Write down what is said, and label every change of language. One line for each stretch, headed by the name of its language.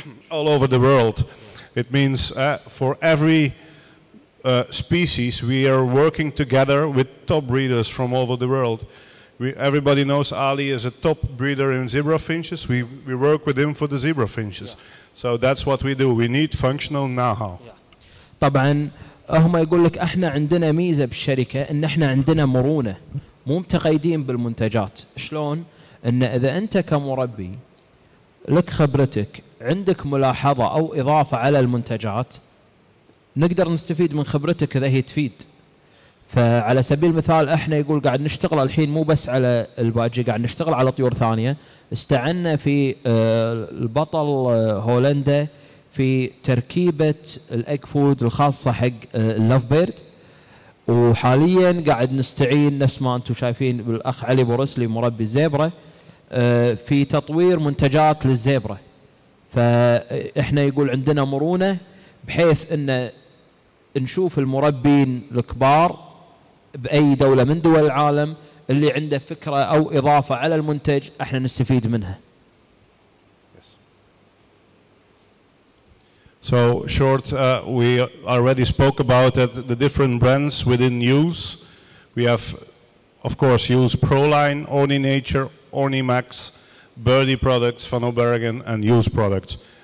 English: all over the world it means for every species we are working together with top breeders from all over the world everybody knows Ali is a top breeder in zebra finches we work with him for the zebra finches yeah. so that's what we do we need functional know-how yeah.
Arabic: طبعا هم يقول لك احنا عندنا ميزه بالشركه ان احنا عندنا مرونه مو متقيدين بالمنتجات شلون ان اذا انت كمربي لك خبرتك عندك ملاحظه او اضافه على المنتجات نقدر نستفيد من خبرتك اذا هي تفيد فعلى سبيل المثال احنا يقول قاعد نشتغل الحين مو بس على الباجي قاعد نشتغل على طيور ثانيه استعنا في البطل هولندا في تركيبه الايج فود الخاصه حق اللاف بيرد وحاليا قاعد نستعين نفس ما انتم شايفين بالاخ علي بورسلي مربي الزيبرا في تطوير منتجات للزيبرا فاحنا يقول عندنا مرونه بحيث ان نشوف المربين الكبار بأي دولة من دول العالم اللي عنده فكرة أو إضافة على المنتج إحنا نستفيد منها.
English: Yes. So short, we already spoke about the different brands within Yules. We have, of course, Yules Proline, Orny Nature, Orny Max, Birdie products, Van Obergen, and Yules products.